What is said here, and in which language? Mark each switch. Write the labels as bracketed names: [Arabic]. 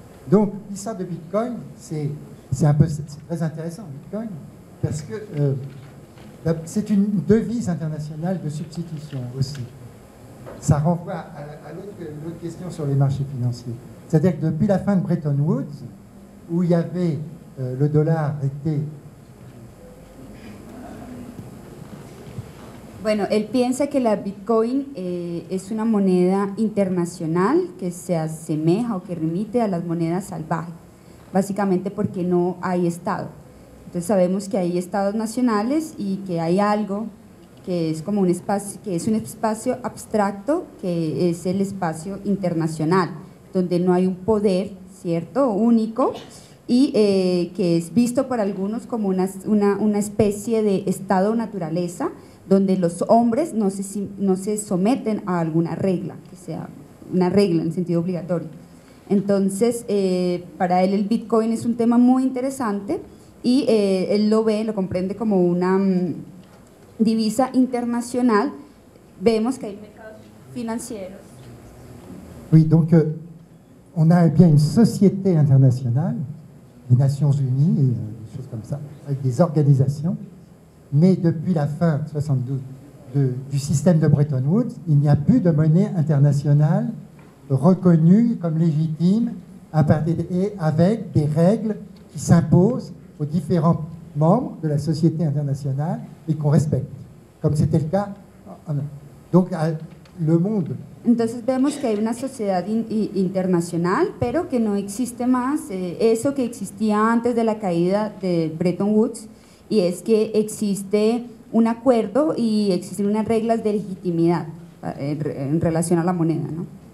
[French] Donc l'histoire de Bitcoin, c'est très intéressant, Bitcoin, parce que c'est une devise internationale de substitution aussi. Ça renvoie à l'autre question sur les marchés financiers. C'est-à-dire que depuis la fin de Bretton Woods, où il y avait le dollar était... [Spanish] Bueno, él piensa que la Bitcoin es una moneda internacional que se asemeja o que remite a las monedas salvajes, básicamente porque no hay Estado. Entonces sabemos que hay Estados nacionales y que hay algo que es como un espacio, que es un espacio abstracto, que es el espacio internacional, donde no hay un poder, ¿cierto?, único, y que es visto por algunos como una especie de Estado naturaleza, donde los hombres no se someten a alguna regla, que sea una regla en sentido obligatorio. Entonces, para él el Bitcoin es un tema muy interesante y él lo ve, lo comprende como una divisa internacional. Vemos que hay mercados financieros. [French] Oui, donc on a bien une société internationale, les Nations Unies, et, des choses comme ça, avec des organisations, mais depuis la fin 72 du système de Bretton Woods, il n'y a plus de monnaie internationale reconnue comme légitime à partir et avec des règles qui s'imposent aux différents membres de la société internationale et qu'on respecte, comme c'était le cas. Donc le monde. [Spanish] Entonces vemos que hay una sociedad internacional, pero que no existe más eso que existía antes de la caída de Bretton Woods, y es que existe un acuerdo y existen unas reglas de legitimidad en relación a la moneda, ¿no?